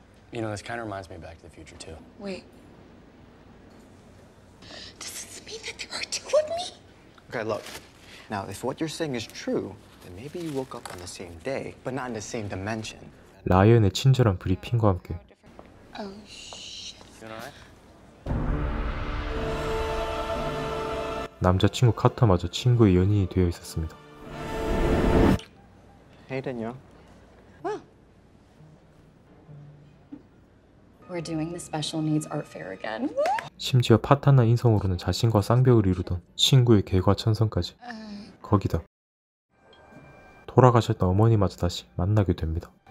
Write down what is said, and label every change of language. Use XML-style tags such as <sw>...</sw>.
<en>You know, this kind of reminds me of Back to the Future too. Wait. Does this mean that there are two of me? Okay, look. Now, if what you're saying is true, then maybe you woke up on the same day, but not in the same dimension.</en> <ko>라이언의 친절한 브리핑과 함께.</ko> <en>Oh shit. You know what?</en> <ko>남자친구 카터마저 친구의 연인이 되어 있었습니다.</ko> <en>Hey, Daniel. Well, we're doing the special needs art fair again.</en> <ko>심지어 파탄난 인성으로는 자신과 쌍벽을 이루던 친구의 개과 천성까지. 거기다 돌아가셨던 어머니마저 다시 만나게 됩니다.</ko>